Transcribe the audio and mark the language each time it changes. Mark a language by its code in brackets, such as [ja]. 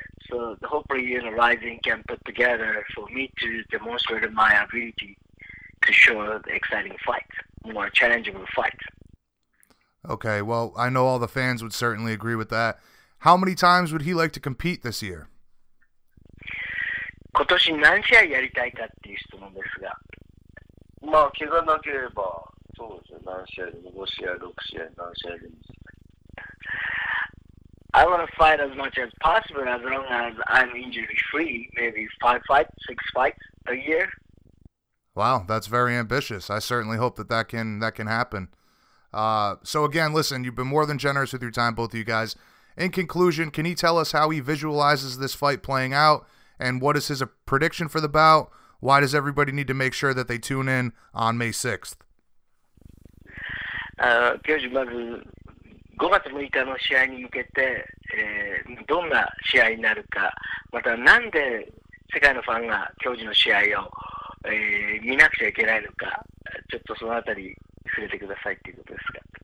[en] So hopefully, you know, Rising can put together for me to demonstrate my ability to show the exciting fights, more challenging fights. Okay, well, I know all the fans would certainly agree with that. How many times would he like to compete this year? [ja] 今年何試合やりたいかっていう質問ですが、まあ怪我なければそうですね、何試合でも5試合、6試合、何試合でも。 [en] I want to fight as much as possible as long as I'm injury free, maybe 5 fights, 6 fights a year. Wow, that's very ambitious. I certainly hope that that can happen. So again, listen, you've been more than generous with your time, both of you guys. In conclusion, can he tell us how he visualizes this fight playing out? And what is his prediction for the bout? Why does everybody need to make sure that they tune in on May 6th? [ja] Kyoji, まず5月6日の試合に向けて、どんな試合になるか、またなんで世界のファンが Kyoji の試合を、見なくちゃいけないのか、ちょっとそのあたり触れてくださいっていうことですか。